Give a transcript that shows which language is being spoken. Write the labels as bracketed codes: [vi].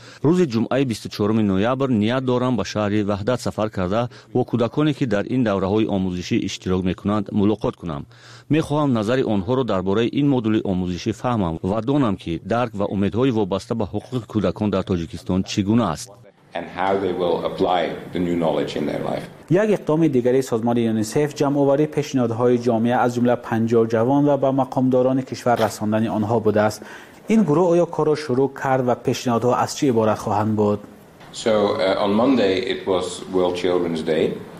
[fa] روز جمعه 24 نوامبر نیت دارم به شهر وحدت سفر کرده با کودکانی که در این دوره های آموزشی اشتراک میکنند ملاقات کنم. میخواهم نظر آنها را درباره این مدل آموزشی فهمم و دانم که درک و امیدهای وابسته به حقوق کودکان در تاجیکستان چگونه است. [en] And how they will apply the new knowledge in their life. [fa] یک اقدام دیگری سازمان یونیسف جمع‌آوری پیشنهادهای جامعه از جمله 50 جوان و به مقامداران کشور رساندن آنها بوده است. این گروه آیا کار را شروع کرد و پیشنهادها از چه عبارت خواهند بود؟ [en] So on Monday it was World Children's Day.